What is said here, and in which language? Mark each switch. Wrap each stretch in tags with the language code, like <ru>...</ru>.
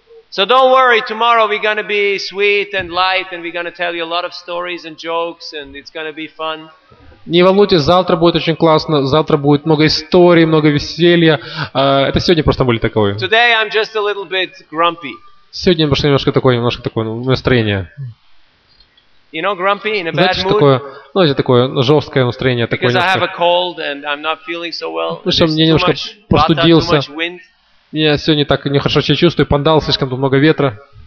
<en>So don't worry, tomorrow we're gonna be sweet and light and we're gonna tell you a lot of stories and jokes and it's gonna be fun.</en> <ru>Не волнуйтесь, завтра будет очень классно, завтра будет много историй, много веселья. Это сегодня просто были таковые.</ru> <en>Today I'm just a little bit grumpy.</en> <ru>Сегодня просто немножко такое настроение.</ru> <en>You know, grumpy, in a</en> <ru>Знаете,</ru> <en>bad mood?</en> <ru>Такое, ну, это такое жесткое настроение.</ru> <en>Because</en> <ru>такое</ru> <en>I have a cold and I'm not feeling so well.</en> <ru>Потому что мне немножко простудился. Я сегодня так нехорошо себя чувствую. Пандал, слишком тут много ветра.</ru>